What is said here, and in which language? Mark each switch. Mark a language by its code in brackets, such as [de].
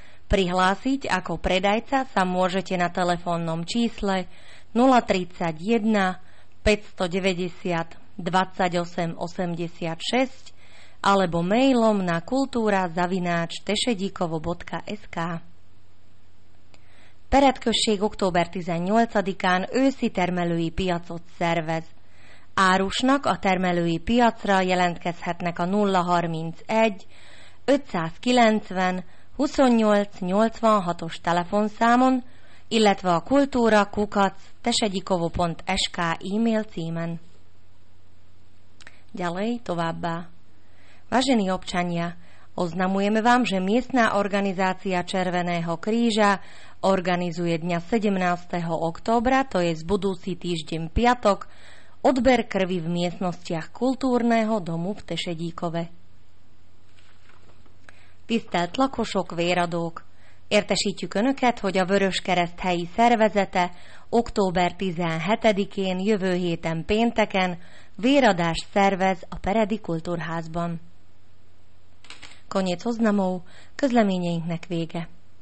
[sk] Prihlásiť ako predajca sa môžete na telefónnom čísle 031 590 28 86 alebo mailom na kultúra@tešedikovo.sk. [hu] Peredkösség október 18-án őszi termelői piacot szervez. Árusnak a termelői piacra jelentkezhetnek a 031 590 28 86-os telefonszámon, illetve a kultúra@tesedikovo.sk e-mail címen. [sk] Ďalej [hu] továbbá. [sk] Vážení občania, oznamujeme vám, že miestna organizácia Červeného kríža organizuje dňa 17. októbra, to je z budúci týždeň piatok, odber krvi v miestnostiach kultúrneho domu v Tešedíkove. [hu] Tisztelt lakosok, véradók! Értesítjük Önöket, hogy a Vöröskereszt helyi szervezete október 17-én jövő héten pénteken véradást szervez a Peredi Kultúrházban. [sk] Koniec oznamov, [hu] közleményeinknek vége.